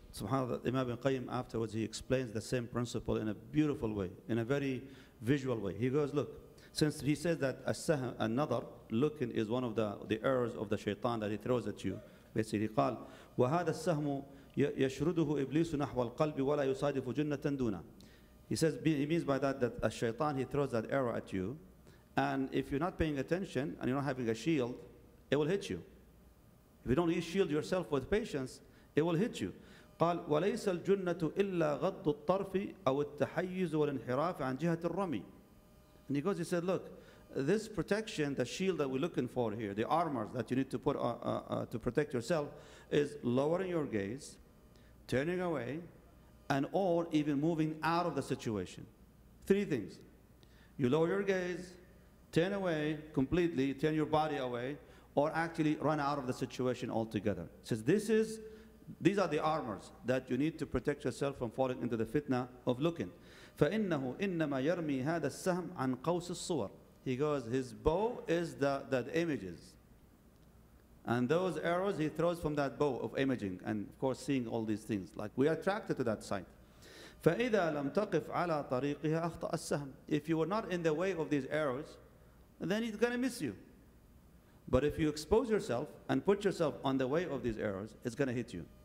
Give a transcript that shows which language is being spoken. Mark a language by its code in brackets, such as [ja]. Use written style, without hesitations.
[en] So subhanAllah, Imam Ibn Qayyim afterwards, he explains the same principle in a beautiful way, in a very visual way. He goes, look, since he says that another looking is one of the errors of the shaitan that he throws at you, basically, he [ar] قال وَهَذَا السَّهْمُ يَشْرُدُهُ إِبْلِيسُ نَحْوَ الْقَلْبِ وَلَا يُصَادِفُ جُنَّةً دُونَ. [en] He says, he means by that that as shaitan, he throws that arrow at you, and if you're not paying attention and you're not having a shield, it will hit you. If you don't shield yourself with patience, it will hit you. [ar] قال وليس الجنة إلا غض الطرف أو التحيز والانحراف عن جهة الرمي. [en] And he goes, he said, look, this protection, the shield that we're looking for here, the armors that you need to put to protect yourself, is lowering your gaze, turning away, and or even moving out of the situation. Three things. You lower your gaze, turn away completely, turn your body away, or actually run out of the situation altogether. Says these are the armors that you need to protect yourself from falling into the fitna of looking. [ar] فَإِنَّهُ إِنَّمَا يَرْمِي هَذَا السَّهْمُ عَنْ قَوْسِ الصُّوَرِ. [en] He goes, his bow is the images. And those arrows he throws from that bow of imaging, and of course seeing all these things, like we are attracted to that sight. [ar] فَإِذَا لَمْ تَقِفْ عَلَىٰ طَرِيقِهَا أَخْطَأَ السَّهْمِ. [en] If you were not in the way of these arrows, then he's going to miss you. But if you expose yourself and put yourself on the way of these arrows, it's going to hit you.